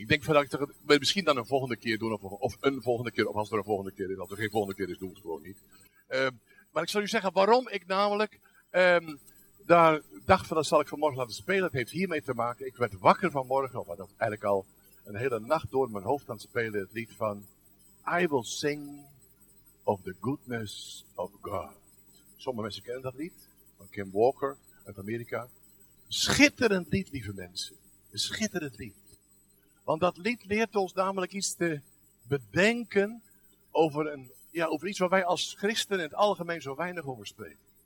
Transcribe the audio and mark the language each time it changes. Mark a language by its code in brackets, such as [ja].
[nl] Ik denk van, ik wil misschien dan een volgende keer doen. Of een volgende keer. Of als er een volgende keer is. Als er geen volgende keer is, doen we het gewoon niet. Maar ik zal u zeggen waarom ik namelijk... dat zal ik vanmorgen laten spelen. Het heeft hiermee te maken. Ik werd wakker vanmorgen. Of had eigenlijk al een hele nacht door mijn hoofd aan het spelen. Het lied van... [en] I will sing of the goodness of God. [nl] Sommige mensen kennen dat lied. Van Kim Walker uit Amerika. Schitterend lied, lieve mensen. Een schitterend lied. Want dat lied leert ons namelijk iets te bedenken over, over iets waar wij als christenen in het algemeen zo weinig over spreken.